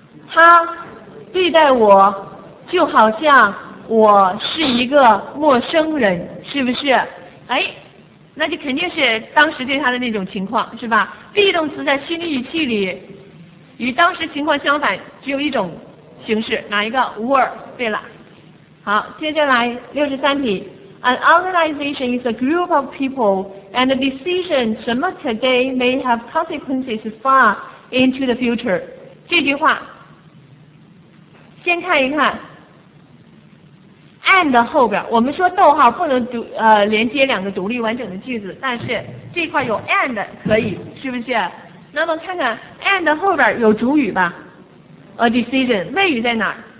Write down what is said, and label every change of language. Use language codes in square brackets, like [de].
[zh] 他对待我就好像我是一个陌生人，是不是？哎，那就肯定是当时对他的那种情况，是吧？ be 动词在虚拟语气里与当时情况相反只有一种形式，哪一个？ [en] were。 [zh] 对了，好，接下来63题 [en] An organization is a group of people and a decision [zh] 什么 [en] today may have consequences far into the future。 [zh] 这句话先看一看 and 后边，我们说逗号不能连接两个独立完整的句子，但是这块有 and 可以，是不是？那么看看 and 后边有主语吧， a decision， 谓语在哪儿？